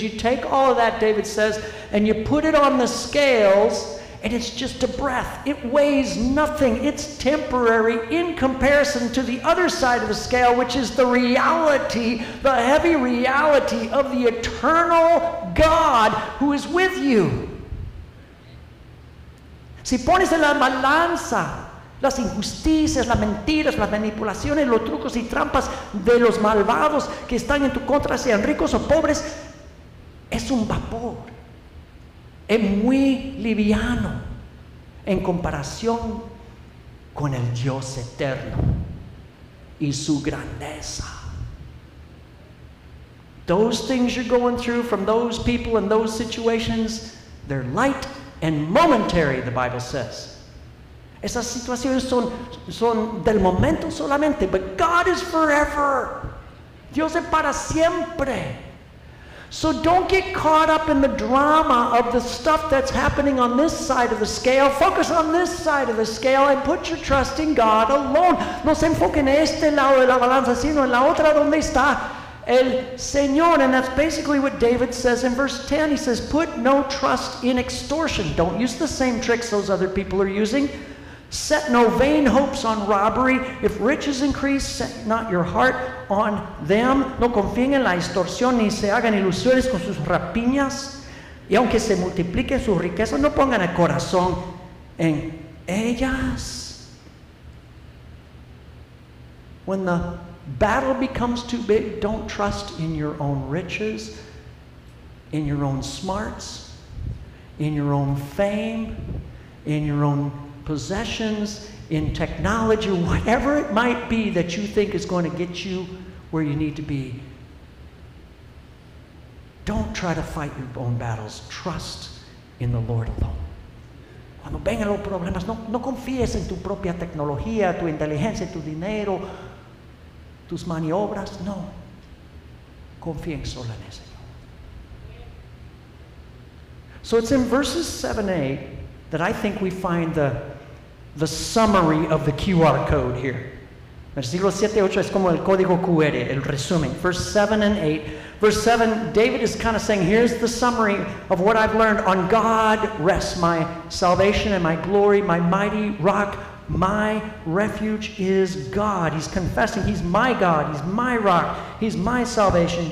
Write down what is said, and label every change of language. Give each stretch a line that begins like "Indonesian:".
English: You take all of that, David says, and you put it on the scales, and it's just a breath. It weighs nothing. It's temporary in comparison to the other side of the scale, which is the reality, the heavy reality of the eternal God who is with you.
Spanish: Si pones en la balanza las injusticias, las mentiras, las manipulaciones, los trucos y trampas de los malvados que están en tu contra, sean ricos o pobres, es un vapor. Es muy liviano en comparación con el Dios eterno. y su grandeza.
English: Those things you're going through from those people and those situations, they're light and momentary, the Bible says.
Spanish: Esas situaciones son del momento solamente,
English: but God is forever.
Spanish: Dios es para siempre.
English: So don't get caught up in the drama of the stuff that's happening on this side of the scale. Focus on this side of the scale and put your trust in God alone.
Spanish: No se enfoque en este lado de la balanza, sino en la otra donde está el Señor.
English: And that's basically what David says in verse 10. He says, put no trust in extortion. Don't use the same tricks those other people are using. Set no vain hopes on robbery. If riches increase, set not your heart on them.
Spanish: No confíen en la extorsión ni se hagan ilusiones con sus rapiñas. Y aunque se multipliquen sus riquezas, no pongan el corazón en ellas.
English: When the battle becomes too big, don't trust in your own riches, in your own smarts, in your own fame, in your own possessions, in technology, whatever it might be that you think is going to get you where you need to be. Don't try to fight your own battles. Trust in the Lord alone.
Spanish: Cuando vengan los problemas, no confíes en tu propia tecnología, tu inteligencia, tu dinero, tus maniobras. No. Confíen solo en el Señor.
English: So it's in verses 7-8 that I think we find the summary of the QR code here.
Spanish: Versículo 7-8 es como el código QR, el resumen.
English: Verse 7 and 8. Verse 7, David is kind of saying, here's the summary of what I've learned. On God rests my salvation and my glory, my mighty rock. My refuge is God. He's confessing, he's my God, he's my rock, he's my salvation.